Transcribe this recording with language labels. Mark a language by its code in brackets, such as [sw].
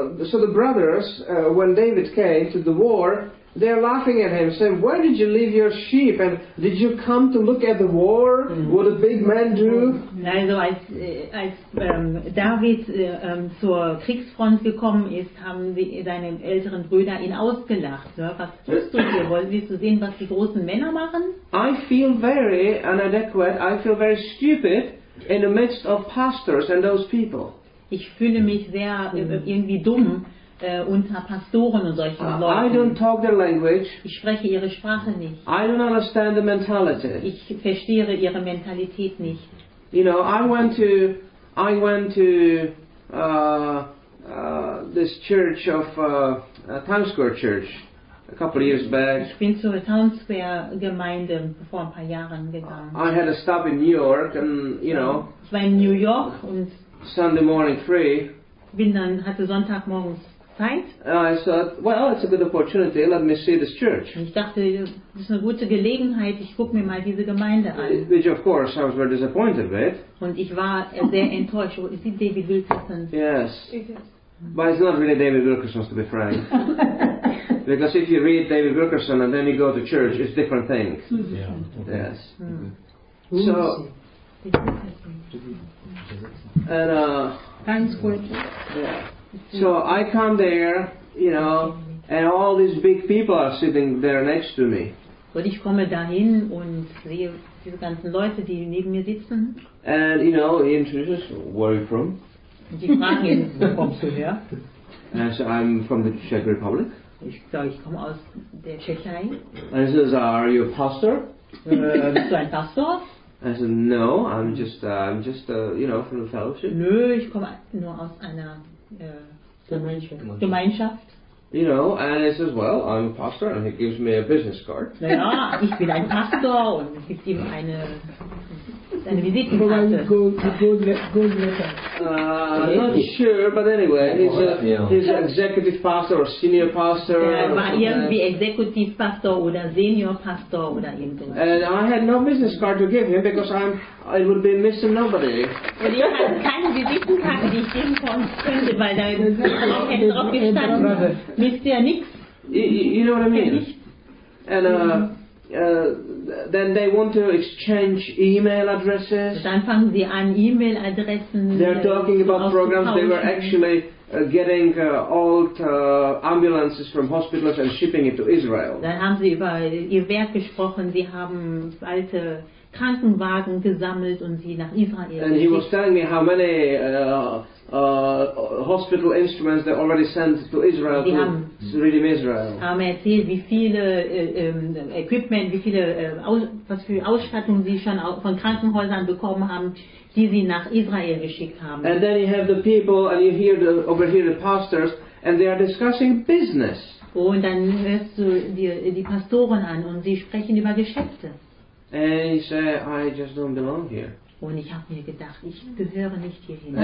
[en] So the brothers, when David came to the war, they're laughing at him, saying, "Why did you leave your sheep? And did you come to look at the war? What a big man do?" [de] Also als David zur Kriegsfront gekommen ist, haben seine älteren Brüder ihn ausgelacht. Was tust du hier? Willst du sehen, was die großen Männer machen? [en] I feel very inadequate. I feel very stupid in the midst of pastors and those people. [de] Ich fühle mich sehr irgendwie dumm. Unter Pastoren und solchen Leuten. [en] I don't talk their language. [de] Ich spreche ihre Sprache nicht. [en] I don't understand the mentality. [de] Ich verstehe ihre Mentalität nicht. [en] You know, I went to this church of Town Square Church a couple of years back. [de] Ich bin zur Town Square Gemeinde vor ein paar Jahren gegangen. [en] I had a stop in New York and you know. [de] Ich war in New York und [en] Sunday morning free. [de] Bin dann hatte Sonntag morgens. [en] I thought, well, it's a good opportunity. Let me see this church. [de] Ich dachte, das ist eine gute Gelegenheit. Ich guck mir mal diese Gemeinde an. [en] Which, of course, I was very disappointed with. [de] Und ich war sehr enttäuscht. [en] Oh, is it David Wilkerson? Yes. But it's not really David Wilkerson, to be frank. Because if you read David Wilkerson and then you go to church, it's a different thing. Yeah, okay. Yes. Mm. So. And Thanks, Gordon. Yeah. So I come there, you know, and all these big people are sitting there next to me. [de] Und ich komme dahin und sehe diese ganzen Leute, die neben mir sitzen. [en] And you know, he introduces, where are you from? [de] Und ich frage ihn, wo kommst du her? [en] And so I'm from the Czech Republic. [de] Ich sage, ich komme aus der Tschechei. [en] And he says, are you a pastor? [de] Bist du ein Pastor? [en] I said, no, I'm just from the fellowship. [de] Nö, ich komme nur aus einer Gemeinschaft. [en] You know, and he says, well, I'm a pastor, and he gives me a business card. [de] Naja, ich bin ein Pastor, und es gibt ihm eine Visitenkarte. [en] Not sure, but anyway, he's an executive pastor or senior pastor. [de] Irgendwie executive pastor oder senior pastor oder irgendwas. [en] And I had no business card to give him because I would be missing nobody. [de] Und ich hatte keine Visitenkarte, die ich geben konnte, weil da drauf gestanden misst ja nichts. [en] You know what I mean? And then they want to exchange email addresses. [de] Dann fangen sie an, E-Mail-Adressen. [en] They're talking about programs. They were actually getting old ambulances from hospitals and shipping it to Israel. [de] Dann haben sie über ihr Werk gesprochen. Sie haben alte Krankenwagen gesammelt und sie nach Israel geschickt. [en] And he was telling me how many hospital instruments they already sent to Israel to redeem Israel. [de] Haben erzählt, wie viele Equipment, wie viele was für Ausstattung sie schon von Krankenhäusern bekommen haben, die sie nach Israel geschickt haben. [en] And then you have the people and you hear overhear the pastors and they are discussing business. [de] Und dann hörst du die Pastoren an und sie sprechen über Geschäfte. [en] And he said, I just don't belong here. [de] Und ich habe mir gedacht, ich gehöre nicht hierhin.